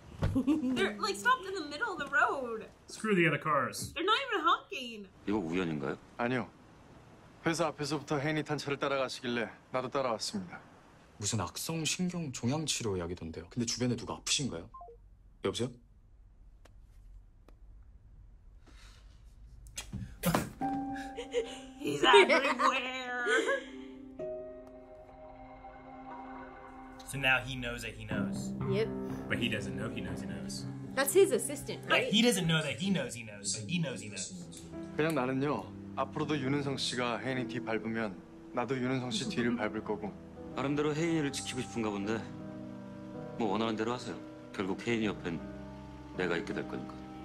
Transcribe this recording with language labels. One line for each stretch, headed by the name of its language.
English: They're like stopped in the middle of the road. Screw the other cars. They're not even honking.
Korean: 이거 우연인가요? 아니요. 회사 앞에서부터 혜인이 탄 차를 따라가시길래 나도 따라왔습니다. 무슨 악성 신경 종양 치료약이던데요. 근데 주변에 누가 아프신가요? 여보세요?
English: He's everywhere. So now he knows that he knows. Yep. But he doesn't know he knows he knows. That's his assistant, right? But he doesn't know that he knows he knows, but he knows he knows.
Korean: 그냥 나는요, 앞으로도 윤은성 씨가 혜인이 뒤 밟으면 나도 윤은성 씨 뒤를 밟을 거고. 나름대로 혜인이를 지키고 싶은가 본데, 뭐 원하는 대로 하세요. 결국 혜인이 옆엔 내가 있게 될 거니까.